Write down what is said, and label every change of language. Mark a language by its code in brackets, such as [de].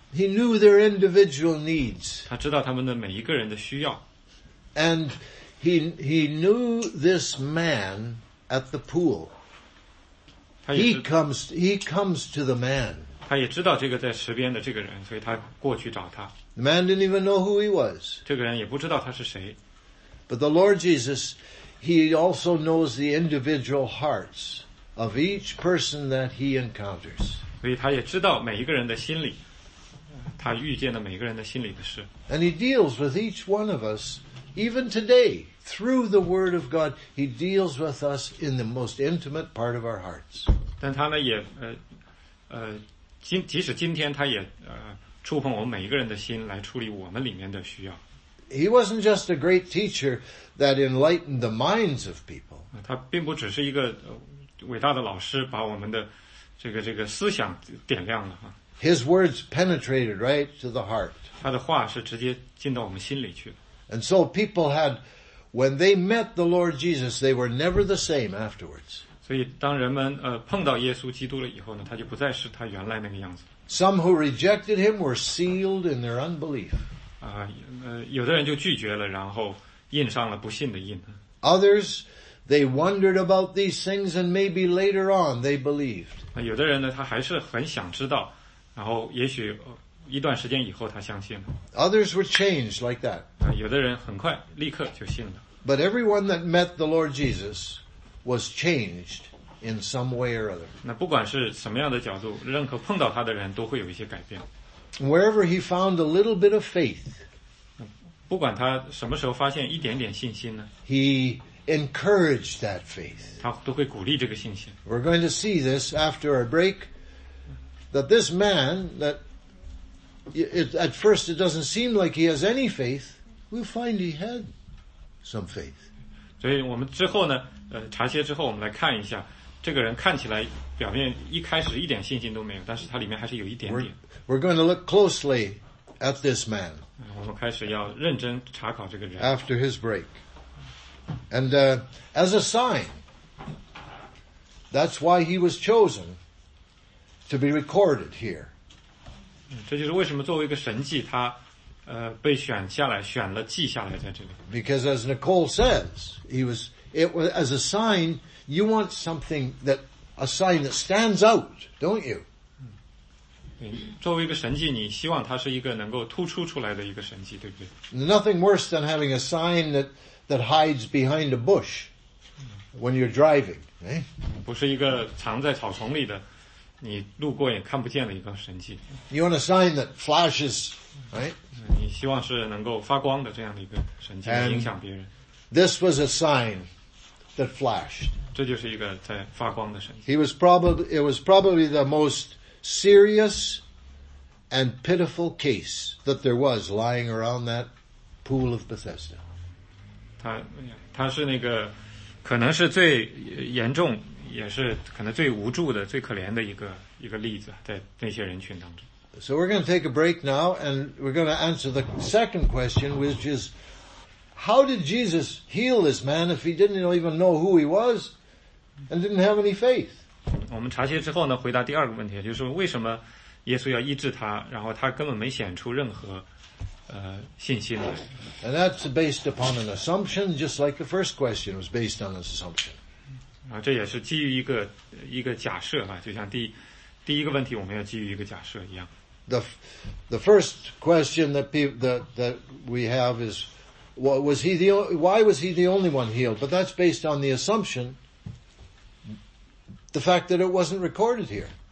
[en] He knew their individual needs. [zh] 他知道他们的每一个人的需要。 [en] And he knew this man at the pool. He comes to the man. [zh] 他也知道这个在池边的这个人，所以他过去找他。 [en] The man didn't even know who he was. [zh] 这个人也不知道他是谁。 [en] But the Lord Jesus, he also knows the individual hearts of each person that he encounters. [zh] 所以他也知道每一个人的心理，他遇见的每一个人的心理的事。 [en] And he deals with each one of us. Even today, through the Word of God, He deals with us in the most intimate part of our hearts. [zh] 但他呢也即使今天他也触碰我们每一个人的心，来处理我们里面的需要。 [en] He wasn't just a great teacher that enlightened the minds of people. [zh] 他并不只是一个伟大的老师，把我们的这个思想点亮了哈。 [en] His words penetrated right to the heart. [zh] 他的话是直接进到我们心里去了。 [en] And so people had, when they met the Lord Jesus, they were never the same afterwards. [zh] 所以当人们碰到耶稣基督了以后呢，他就不再是他原来那个样子。 [en] Some who rejected him were sealed in their unbelief. [zh] 有的人就拒绝了，然后印上了不信的印。 [en] Others, they wondered about these things and maybe later on they believed. [zh] 有的人呢，他还是很想知道，然后也许一段时间以后他相信了。 [en] Others were changed like that. [zh] 有的人很快立刻就信了。 [en] But everyone that met the Lord Jesus was changed in some way or other. [zh] 那不管是什么样的角度，任何碰到他的人都会有一些改变。 [en] Wherever he found a little bit of faith, [zh] 不管他什么时候发现一点点信心呢， [en] he encouraged that faith. [zh] 他都会鼓励这个信心。 [en] We're going to see this after our break, that this man thatat first it doesn't seem like he has any faith, we'll find he had some faith. [zh] 所以我们之后呢查歇之后我们来看一下，这个人看起来表面一开始一点信心都没有，但是他里面还是有一点点。 [en] We're going to look closely at this man. [zh] 我们开始要认真查考这个人。 [en] After his break. And, as a sign, that's why he was chosen to be recorded here. [zh] 这就是为什么作为一个神迹，他被选下来，选了记下来在这里。 [en] Because as Nicole says, it was as a sign. You want something that a sign that stands out, don't you? [zh] 作为一个神迹，你希望它是一个能够突出出来的一个神迹，对不对 [en] ？Nothing worse than having a sign that hides behind a bush when you're driving, right? [zh] 不是一个藏在草丛里的。你路过也看不见的一个神迹。 [en] You want a sign that flashes, right? [zh] 你希望是能够发光的这样的一个神迹，影响别人。 [en] This was a sign that flashed. [zh] 这就是一个在发光的神迹。 [en] It was probably the most serious and pitiful case that there was lying around that pool of Bethesda. [zh] 他是那个可能是最严重也是可能最无助的最可怜的一个例子在那些人群当中。 [en] So we're going to take a break now and we're going to answer the second question, which is how did Jesus heal this man if he didn't even know who he was and didn't have any faith? [zh] 我们查歇之后呢回答第二个问题，就是为什么耶稣要医治他，然后他根本没显出任何信心来。 [en] And that's based upon an assumption, just like the first question was based on an assumption. [zh] 啊，这也是基于一个假设啊，就像第一个问题我们要基于一个假设一样。 [en] The first question that we have is, why was he the only one healed? But that's based on the assumption, the fact that it wasn't recorded here.